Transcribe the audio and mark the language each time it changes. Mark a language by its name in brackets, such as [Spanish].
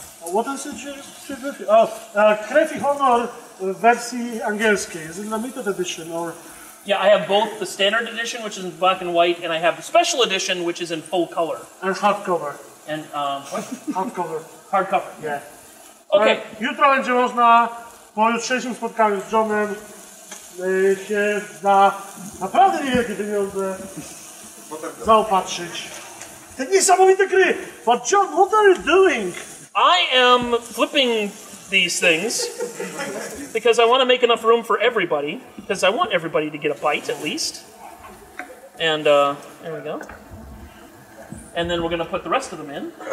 [English] What is it? [Polish] Krew i Honor w wersji angielskiej. [English] Is it a limited edition? Or? Yeah, I have both the standard edition, which is in black and white, and I have the special edition, which is in full color. And hardcover. And Hardcover. Yeah. Okay. [Polish] Jutro będzie można po jutrzejszym spotkaniu z Johnem się za naprawdę niewielkie pieniądze zaopatrzyć. Te niesamowite gry! [English] But John, what are you doing? I am flipping these things because I want to make enough room for everybody because I want everybody to get a bite at least. And there we go. And then we're going to put the rest of them in.